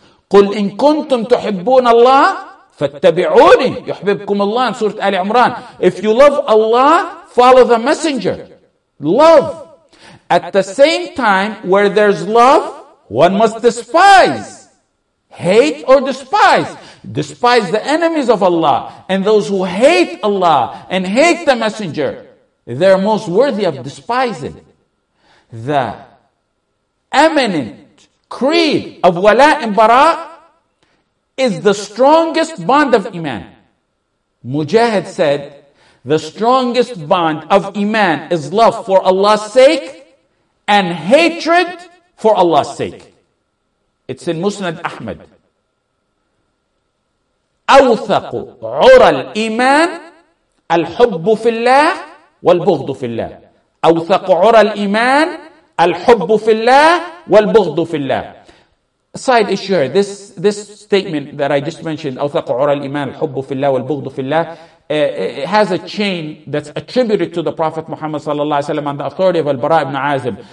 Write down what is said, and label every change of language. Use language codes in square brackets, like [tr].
[ar] قل إن كنتم تحبون الله فاتبعوني يحببكم الله [en] in Surah Ali Imran. If you love Allah, follow the messenger. Love. At the same time, where there's love, one must despise. Hate or despise. Despise the enemies of Allah and those who hate Allah and hate the messenger. They're most worthy of despising. The eminent creed of wala and bara is the strongest bond of iman. Mujahid said, the strongest bond of iman is love for Allah's sake and hatred for Allah's sake. It's in Musnad Ahmad. [ar] أوثق عرى الإيمان الحب في الله والبغض في الله. أوثق عرى الإيمان الحب في الله والبغض في الله. [en] Side issue, this statement that I just mentioned, [ar] أوثق عرى الإيمان الحب في الله [en] والبغض في الله, has a chain that's attributed to the Prophet Muhammad صلى الله عليه وسلم on the authority of Al-Bara ibn Azim.